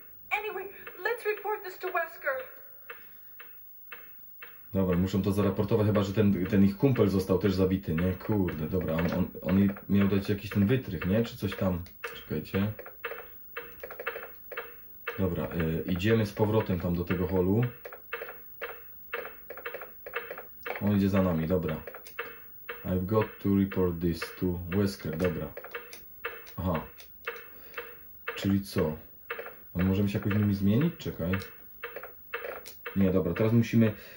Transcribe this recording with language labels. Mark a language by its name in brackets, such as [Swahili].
[English] Anyway, let's report this to Wesker. [Polish] Dobra, muszą to zareportować, chyba że ten ich kumpel został też zabity, nie? Kurde, dobra, on miał dać jakiś ten wytrych, nie? Czy coś tam? Czekajcie. Dobra, idziemy z powrotem tam do tego holu. On idzie za nami, dobra. [English] I've got to report this to Wesker, [Polish] dobra. Aha. Czyli co? Możemy się jakoś nimi zmienić? Czekaj. Nie, dobra, teraz musimy...